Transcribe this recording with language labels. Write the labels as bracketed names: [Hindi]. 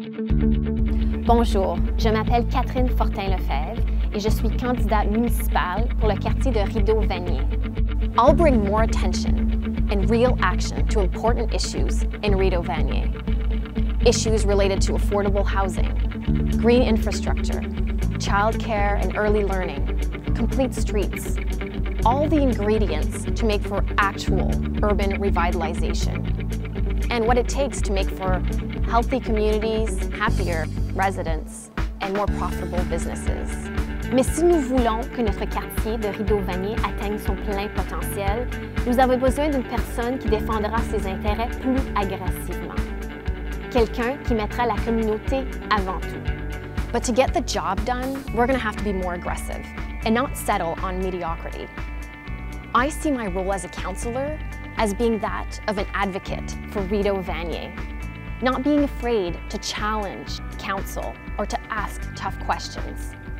[French] Bonjour, je m'appelle Catherine Fortin-Lefebvre et je suis candidate municipale pour le quartier de Rideau-Vanier. [English] I'll bring more attention and real action to important issues in Rideau-Vanier. Issues related to affordable housing, green infrastructure, childcare and early learning, complete streets, all the ingredients to make for actual urban revitalization, and what it takes to make for healthy communities, happier residents, and more profitable businesses. [French] Mais si nous voulons que notre quartier de Rideau-Vanier atteigne son plein potentiel, nous avons besoin d'une personne qui défendra ses intérêts plus agressivement. Quelqu'un qui mettra la communauté avant tout. [English] But to get the job done, we're going to have to be more aggressive and not settle on mediocrity. I see my role as a counselor as being that of an advocate for Rideau-Vanier, not being afraid to challenge council or to ask tough questions.